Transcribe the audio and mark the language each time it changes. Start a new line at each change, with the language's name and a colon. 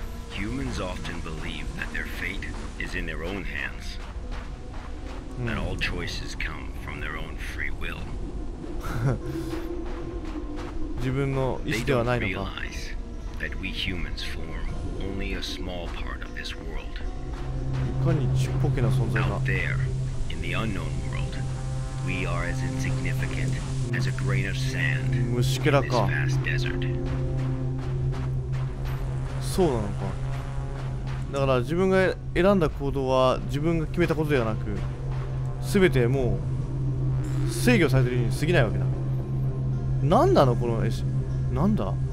English: Humans often believe that their fate is in their own hands that all choices come from their own free will
Japanese: 自分の意思ではないのか。いかにちっぽけな存在か。
English: Out there, in the unknown world, we are as insignificant as a grain of sand in this vast desert.
Japanese: そうなのか。だから自分が選んだ行動は自分が決めたことではなく、すべてもう制御されているに過ぎないわけだ。なんだのこの絵師、なんだ。